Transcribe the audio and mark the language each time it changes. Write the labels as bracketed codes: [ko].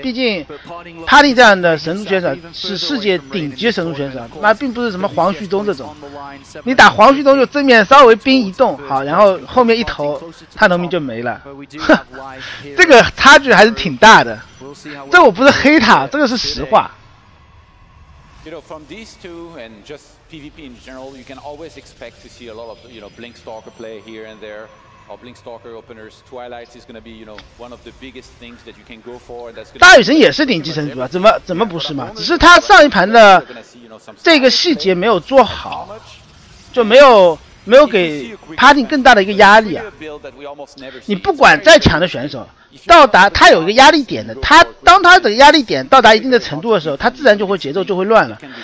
[zh] 毕竟 Potting 这样的神族选手是世界顶级神族选手，那并不是什么黄旭东这种，你打黄旭东就正面稍微冰一动好，然后后面一投他农民就没了，这个差距还是挺大的。这我不是黑他，这个是实话。 [en] You know, from these two and just PvP in general, you can always expect to see a lot of, you know, Blinkstalker play here and there, or Blinkstalker openers. Twilight is going to be, you know, one of the biggest things that you can go for. [zh] 大宇神也是顶级神族啊，怎么不是嘛？只是他上一盘的这个细节没有做好，就没有给 Potting 更大的一个压力啊。你不管再强的选手，到达他有一个压力点的，他当他的压力点到达一定的程度的时候，他自然就会节奏就会乱了。